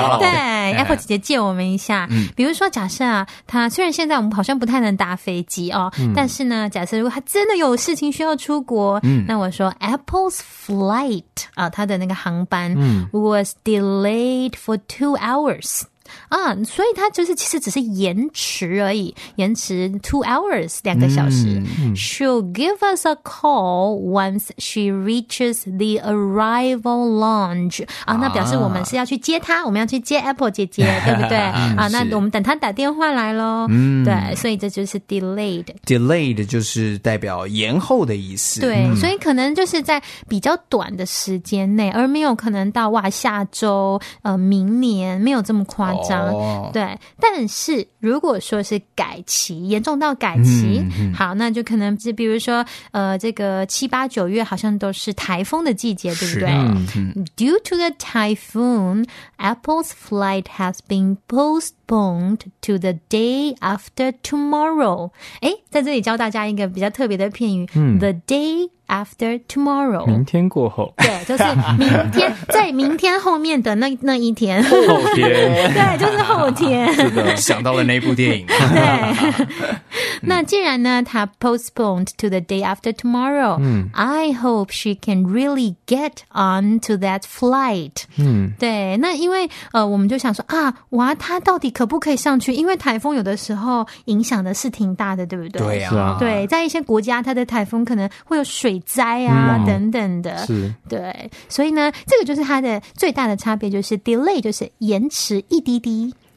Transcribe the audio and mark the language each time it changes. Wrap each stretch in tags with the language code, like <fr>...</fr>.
<zh>对， Apple 姐姐借我们一下。比如说假设啊，她虽然现在我们好像不太能搭飞机哦，但是呢假设如果她真的有事情需要出国，那我说</zh> <en>Apple's flight</en> <zh>啊，她的那个航班</zh> <en>was delayed for 2 hours。</en> <zh>啊，所以它就是其实只是延迟而已，延迟 2 hours 两个小时。</zh> <en>She'll give us a call once she reaches the arrival lounge。</en> <zh>啊，那表示我们是要去接她，我们要去接 Apple 姐姐，对不对？啊，那我们等她打电话来咯。对，所以这就是 delayed。 delayed 就是代表延后的意思。对，所以可能就是在比较短的时间内，而没有可能到哇下周明年，没有这么快。对，但是如果说是改期，严重到改期，好，那就可能就比如说这个七八九月好像都是台风的季节，对不对？</zh> <en>Due to the typhoon, Apple's flight has been postponed to the day after tomorrow。</en> <zh>诶，在这里教大家一个比较特别的片语，</zh> <en>the day after tomorrow，</en> <zh>明天过后，对，就是明天在明天后面的 那一天，后天，对，就是后天。想到了那部电影。对，那既然呢，他</zh> <en>postponed to the day after tomorrow，I hope she can really get on to that flight。</en> <zh>对，那因为我们就想说啊，哇，他到底可不可以上去？因为台风有的时候影响的是挺大的，对不对？对啊，对，在一些国家，它的台风可能会有水灾啊，等等的，是，对，所以呢，这个就是它的最大的差别，就是 delay 就是延迟一滴滴。</zh>